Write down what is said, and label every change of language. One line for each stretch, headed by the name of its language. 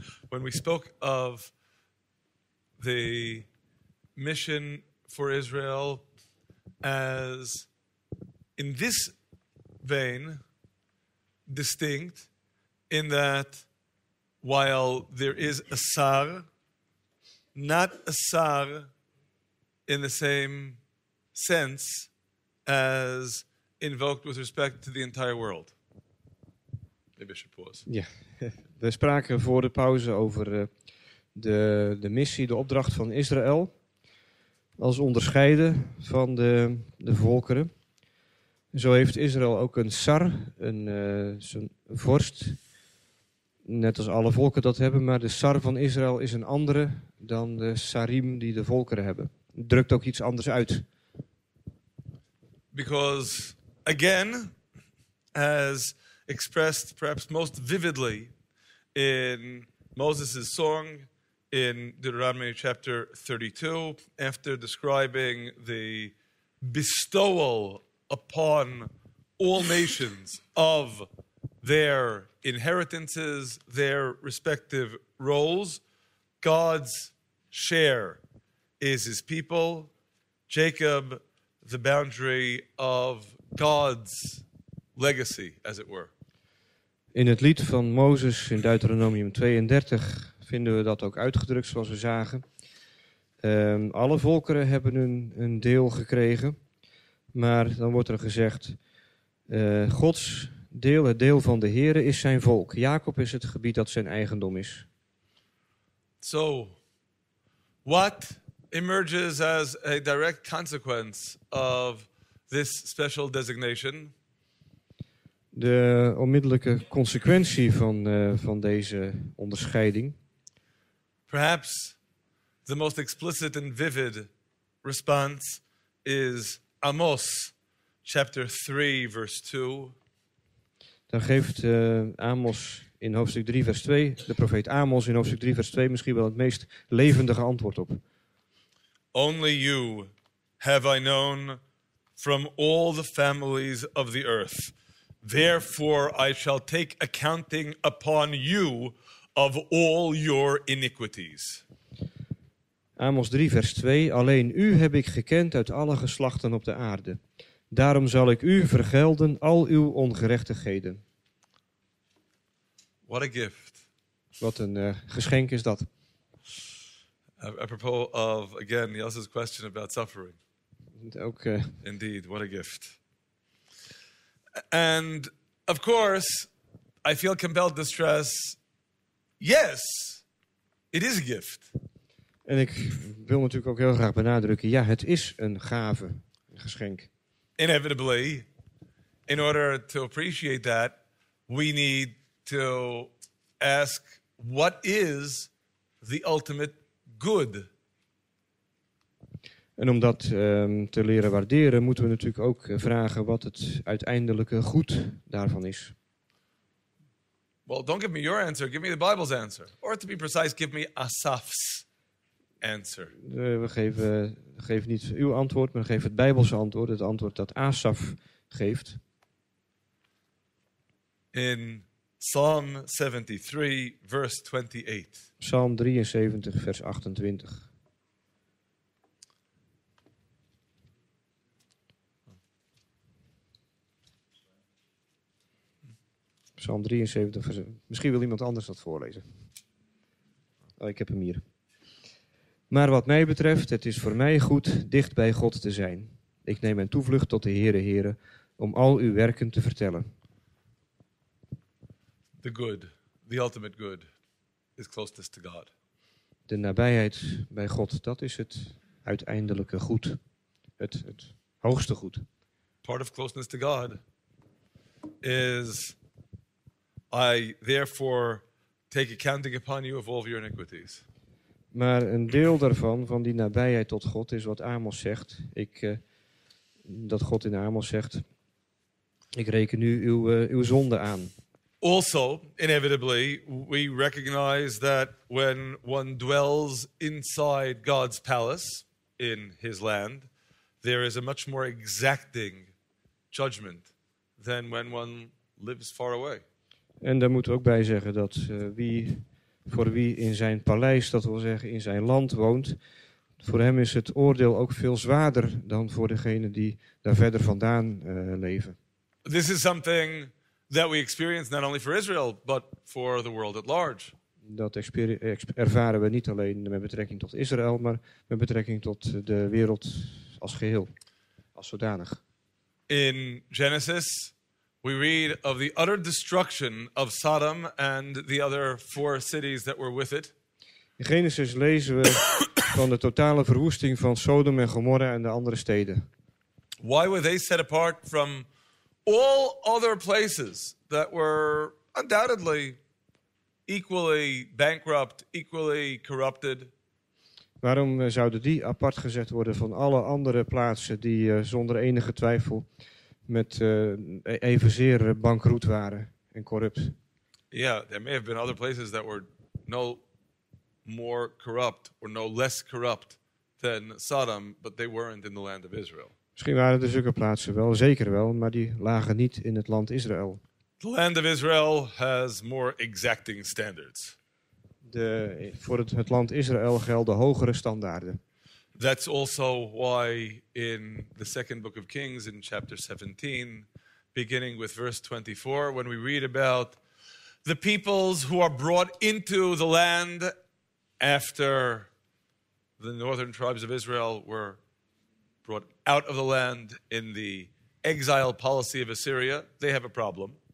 English: when we spoke of the mission for Israel as, in this vein, distinct in that while there is a sar, not a sar in the same sense as invoked with respect to the entire world. Maybe I should pause. Yeah.
Dutch: We spraken voor de pauze over de missie, de opdracht van Israël, als onderscheiden van de volkeren. Zo heeft Israël ook een sar, een vorst, net als alle volken dat hebben, maar de sar van Israël is een andere dan de sarim die de volkeren hebben. Het drukt ook iets anders uit.
English: Because, again, as expressed perhaps most vividly in Moses' song in Deuteronomy chapter 32, after describing the bestowal upon all nations of their inheritances, their respective roles, God's share is his people, Jacob, the boundary of God's legacy, as it were.
Dutch: In het lied van Mozes in Deuteronomium 32 vinden we dat ook uitgedrukt, zoals we zagen. Alle volkeren hebben een deel gekregen, maar dan wordt er gezegd, Gods deel, het deel van de Heere, is zijn volk. Jacob is het gebied dat zijn eigendom is.
English: So, what emerges as a direct consequence of this special designation?
Dutch: De onmiddellijke consequentie van deze onderscheiding.
English: Perhaps the most explicit and vivid response is Amos, chapter 3, verse 2.
Dutch: Dan geeft Amos in hoofdstuk 3, vers 2, de profeet Amos in hoofdstuk 3, vers 2, misschien wel het meest levendige antwoord op.
English: Only you have I known from all the families of the earth. Therefore I shall take accounting upon you of all your iniquities.
Dutch: Amos 3, vers 2. Alleen u heb ik gekend uit alle geslachten op de aarde. Daarom zal ik u vergelden al uw ongerechtigheden.
English: What a gift.
Dutch: Wat een geschenk is dat.
English: Apropos of, again, Yossi's question about suffering. Okay. Indeed, what a gift. And, of course, I feel compelled to stress, yes, it is a gift.
Dutch: En ik wil natuurlijk ook heel graag benadrukken, ja, het is een gave, een geschenk.
English: Inevitably, in order to appreciate that, we need to ask, what is the ultimate good?
Dutch: En om dat te leren waarderen, moeten we natuurlijk ook vragen wat het uiteindelijke goed daarvan is.
English: Well, don't give me your answer, give me the Bible's answer. Or to be precise, give me Asaf's answer.
Dutch: We geven niet uw antwoord, maar geef het Bijbelse antwoord, het antwoord dat Asaf geeft.
English: In Psalm 73, verse 28.
Dutch: Psalm 73, vers 28. Psalm 73, vers... misschien wil iemand anders dat voorlezen. Oh, ik heb hem hier. Maar wat mij betreft, het is voor mij goed dicht bij God te zijn. Ik neem mijn toevlucht tot de Heere, Heere, om al uw werken te vertellen.
English: The good, the ultimate good, is closest to God.
Dutch: De nabijheid bij God, dat is het uiteindelijke goed. Het hoogste goed.
English: Part of closeness to God is, I therefore take accounting upon you of all of your iniquities.
Dutch: Maar een deel daarvan, van die nabijheid tot God, is wat Amos zegt. Dat God in Amos zegt, ik reken nu uw zonde aan.
English: Also, inevitably, we recognize that when one dwells inside God's palace in his land, there is a much more exacting judgment than when one lives far away.
Dutch: En daar moeten we ook bij zeggen dat voor wie in zijn paleis, dat wil zeggen in zijn land, woont, voor hem is het oordeel ook veel zwaarder dan voor degene die daar verder vandaan leven.
English: This is something that we experience not only for Israel, but for the world at large.
Dutch: Dat ervaren we niet alleen met betrekking tot Israël, maar met betrekking tot de wereld als geheel, als zodanig.
English: In Genesis, we read of the utter destruction of Sodom and the other four cities that were with it.
Dutch: In Genesis lezen we van de totale verwoesting van Sodom en Gomorra en de andere steden.
English: Why were they set apart from all other places that were undoubtedly equally bankrupt, equally corrupted?
Dutch: Waarom zouden die apart gezet worden van alle andere plaatsen die zonder enige twijfel met evenzeer bankroet waren en corrupt?
English: Yeah, there may have been other places that were no more corrupt or no less corrupt than Sodom, but they weren't in the land of Israel.
Dutch: Misschien waren er zulke plaatsen wel, zeker wel, maar die lagen niet in het land Israël.
English: The land of Israel has more exacting standards.
Dutch: Voor het land Israël gelden hogere standaarden.
English: That's also why in the second book of Kings, in chapter 17, beginning with verse 24, when we read about the peoples who are brought into the land after the northern tribes of Israel were brought out of the land in the exile policy of Assyria, they have a problem.